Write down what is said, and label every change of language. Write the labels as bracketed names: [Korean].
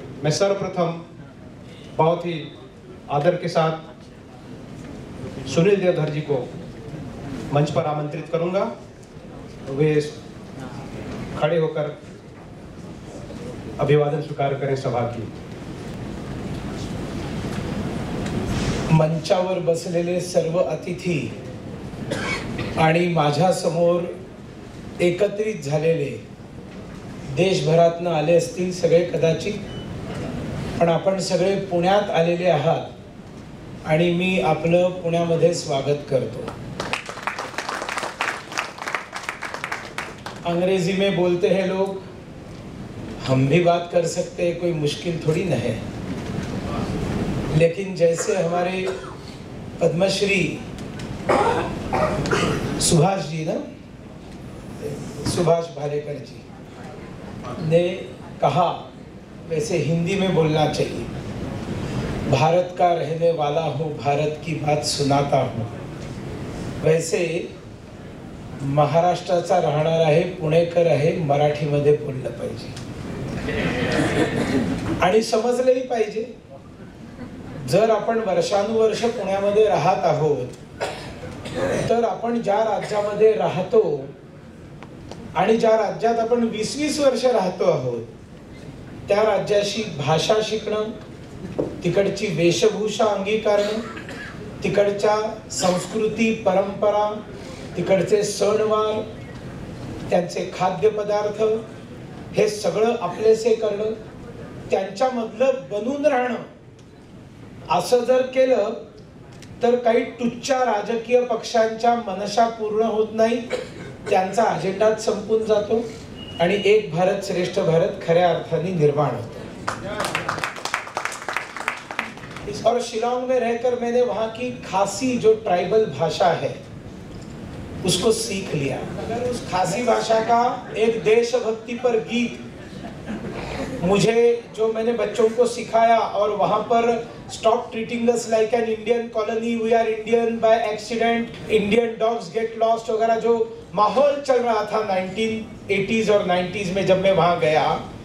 [Hindi] मैं सर्वप्रथम बहुत ही आदर के साथ सुनील देवधर जी को मंच पर आमंत्रित करूंगा। वे खड़े होकर अभिवादन स्वीकार करें सभा की। [Marathi] मंचावर बसलेले सर्व अतिथी आणि माझ्या समोर एकत्रित झालेले देशभरातून आले असतील सगळे कदाचित, पण आपण सगळे पुण्यात आलेले आहात आणि मी आपलं पुण्यामध्ये स्वागत करतो। [Hindi] अंग्रेजी में बोलते हैं लोग, हम भी बात कर सकते हैं, कोई मुश्किल थोड़ी न है। लेकिन जैसे हमारे पद्मश्री सुभाष जी ना, सुभाष भालेकर जी ने कहा, वैसे हिंदी में बोलना चाहिए, भारत का रहने वाला हूँ, भारत की बात सुनाता हूँ। [Marathi] वैसे महाराष्ट्राचा राहणारा आहे, पुणेकर आहे, मराठी मध्ये बोललं पाहिजे आणि समजलंही पाहिजे। जर आपण वर्षानुवर्ष पुण्यामध्ये राहत आहोत तर आपण ज्या राज्यामध्ये राहतो आणि ज्या राज्यात आपण 20-20 वर्ष राहतो आहोत त्या राज्याची भाषा शिकणं, तिकडची वेशभूषा अंगीकारणं, तिकडच्या संस्कृती परंपरा, तिकडचे सणवार, त्यांचे खाद्यपदार्थ, हे सगळं आपलेसे करणं, त्यांच्यामधलं बनून राहणं, असं जर केलं तर काही तुच्छ राजकीय पक्षांच्या मनशा पूर्ण होत नाही, त्यांचा अजेंडाच संपून जातो आणि एक भारत श्रेष्ठ भारत खऱ्या अर्थाने निर्माण होतो। [Hindi] और शिलांग में रहकर मैंने वहां की खासी जो ट्राइबल भाषा है उसको सीख लिया। अगर उस खासी भाषा का एक देशभक्ति पर गीत मुझे, जो मैंने बच्चों को सिखाया और वहां पर [English] stop treating us like an Indian colony, we are Indian by accident, Indian dogs get lost [Hindi] वगैरह, जो माहौल चल रहा था 1980s और 90s में जब मैं वहां गया,